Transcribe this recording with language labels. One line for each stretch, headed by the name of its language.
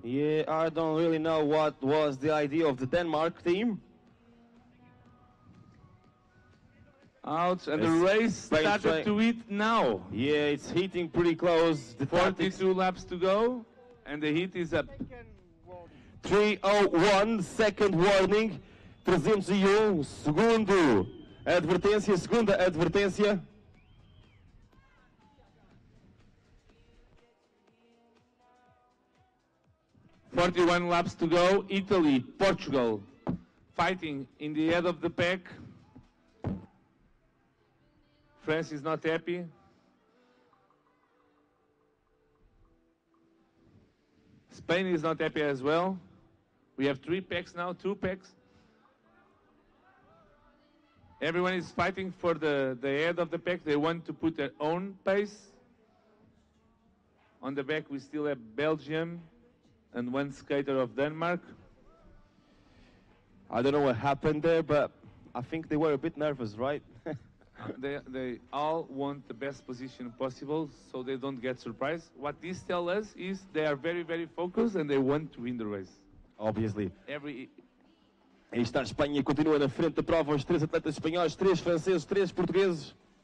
English: Yeah, I don't really know what was the idea of the Denmark team. Ouch, and it's the race started to hit now. Yeah, it's hitting pretty close. The 42 laps to go, and the heat is up. 301, second warning.
Portuguese: 301, segundo advertência, segunda advertência.
English: Forty-one laps to go, Italy, Portugal, fighting in the head of the pack. France is not happy. Spain is not happy as well. We have three packs now, two packs. Everyone is fighting for the head of the pack. They want to put their own pace. On the back, we still have Belgium and one skater of Denmark. I don't know what happened there, but I think they were a bit nervous, right? They all want the best position possible so they don't get surprised. What this tells us is they are very, very focused and they want to win the race. Obviously.
Portuguese: Aí está a Espanha, continua na frente da prova, os três atletas espanhóis, três franceses, três portugueses.